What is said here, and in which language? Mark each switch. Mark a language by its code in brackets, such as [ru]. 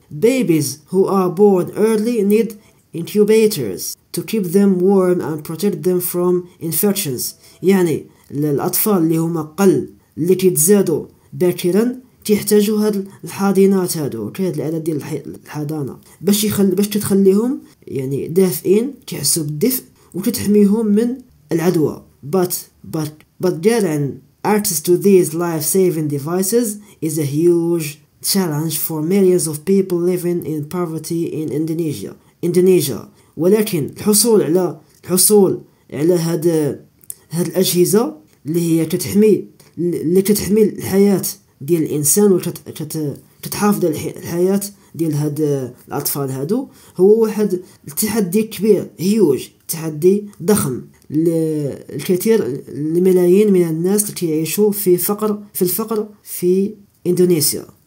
[en] babies who are born early need incubators to keep them warm and protect them from infections. [ar] يعني الاطفال اللي هما قل اللي كيتزادوا باكرا كيحتاجوا هاد الحاضنات هادو هاد الاعداد ديال الحضانه باش باش تخليهم يعني دافئين كيحسوا بالدفء وتتحميهم من العدوى. [en] But getting access to these life-saving devices is a huge challenge for millions of people living in poverty in Indonesia. [ar] ولكن الحصول على هاد الأجهزة اللي هي تتحمي الحياة ديال الإنسان وتتحافظ الحياة ديال هاد الأطفال هادو هو واحد التحدي كبير huge تحدي ضخم الكثير لملايين من الناس التي يعيشوا في فقر في الفقر في إندونيسيا.